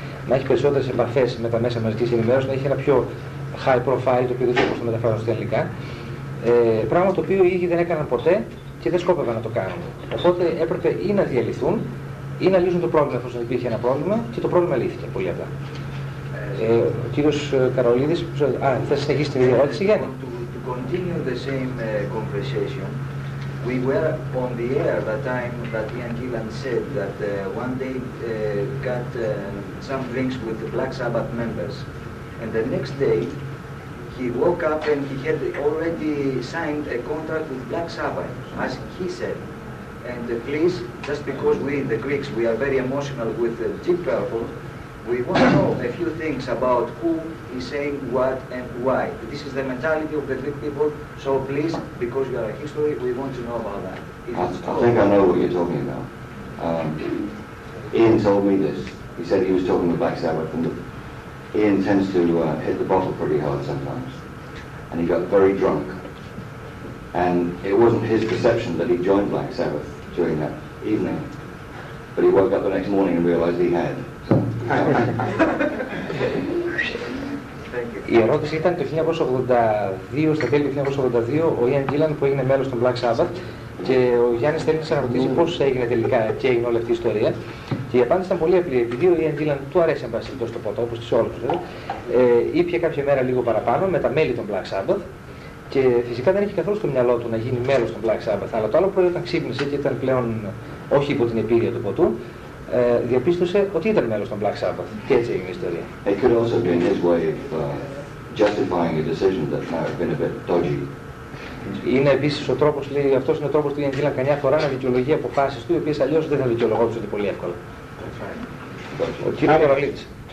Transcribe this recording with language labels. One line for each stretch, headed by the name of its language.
Greek: να έχει περισσότερες επαφές με τα μέσα μαζικής ενημέρωσης, να έχει ένα πιο high profile, το οποίο δεν μπορούσε να μεταφράσει στα αγγλικά. Πράγμα το οποίο οι ίδιοι δεν έκαναν ποτέ και δεν σκόπευαν να το κάνουν. Οπότε έπρεπε ή να διαλυθούν ή να λύσουν το πρόβλημα, εφόσον υπήρχε ένα πρόβλημα, και το πρόβλημα λύθηκε πολύ απλά. Ο κύριος Καρολίδης, θα συνεχίσει την ερώτηση, Γιάννη.
English: To continue the same conversation, we were on the air the time that Ian Gillan said that one day got some drinks with the Black Sabbath members, and the next day he woke up and he had already signed a contract with Black Sabbath, as he said. And please, just because we, the Greeks, we are very emotional with the Deep Purple, we want to know a few things about who is saying what and why. This is the mentality of the Greek people, so please, because you are a history, we want to know about that. I think I know what you're talking about. Ian told me this. He said he was talking to Black Sabbath. And Ian tends to hit the bottle pretty hard sometimes. And he got very drunk. And it wasn't his perception that he joined Black Sabbath during that evening. But he woke up the next morning and realized he had.
Greek: Η ερώτηση ήταν το 1982, στα τέλη του 1982, ο Ιαν Γκίλαν που έγινε μέλος των Black Sabbath, και ο Γιάννης θέλει να σε ρωτήσει πώς έγινε τελικά και έγινε όλη αυτή η ιστορία. Και η απάντηση ήταν πολύ απλή. Επειδή ο Ιαν Γκίλαν του αρέσει να πάει στο ποτό, όπως τις όλους, ήπια κάποια μέρα λίγο παραπάνω με τα μέλη των Black Sabbath, και φυσικά δεν είχε καθόλου στο μυαλό του να γίνει μέλος των Black Sabbath, αλλά το άλλο πρωί όταν ξύπνησε και ήταν πλέον όχι υπό την επίρρεια του ποτού, διαπίστωσε ότι ήταν μέλος των Black Sabbath. Και έτσι έγινε η ιστορία.
English: It could also have been his way of justifying a decision that might have been a bit dodgy.
Greek: Είναι επίσης ο τρόπος, λέει, αυτός είναι ο τρόπος του Ιαν Γκίλαν καμιά φορά να δικαιολογεί αποφάσεις του, οι οποίες αλλιώς δεν θα δικαιολογόντουσαν πολύ εύκολα. Ο κύριος Καρολίδης.